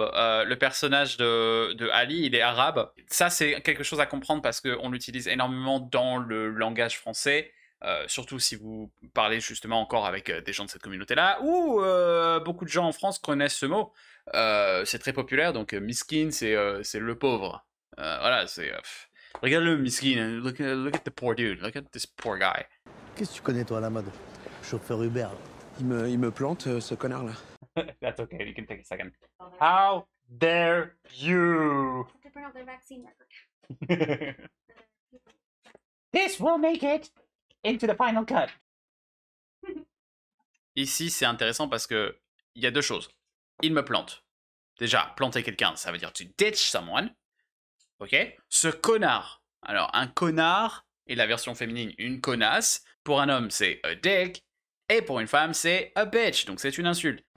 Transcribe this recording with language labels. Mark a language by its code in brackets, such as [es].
[fr] Le personnage de Ali, il est arabe. Ça, c'est quelque chose à comprendre parce qu'on l'utilise énormément dans le langage français. Surtout si vous parlez justement encore avec des gens de cette communauté-là. Ou beaucoup de gens en France connaissent ce mot. C'est très populaire, donc miskin, c'est le pauvre. Voilà, c'est... Regarde le miskin, [en] look at the poor dude, look at this poor guy. [fr] Qu'est-ce que tu connais, toi, à la mode? Chauffeur Uber. Il me plante, ce connard-là. [en] That's okay, you can take a second. How dare you? This will make it into the final cut. [fr] Ici, c'est intéressant parce que il y a deux choses. Il me plante. Déjà, planter quelqu'un, ça veut dire tu [en] ditch someone. [fr] Ok? Ce connard. Alors, un connard est la version féminine, une connasse. Pour un homme, c'est [en] a dick. [fr] Et pour une femme, c'est [en] a bitch. [fr] Donc, c'est une insulte.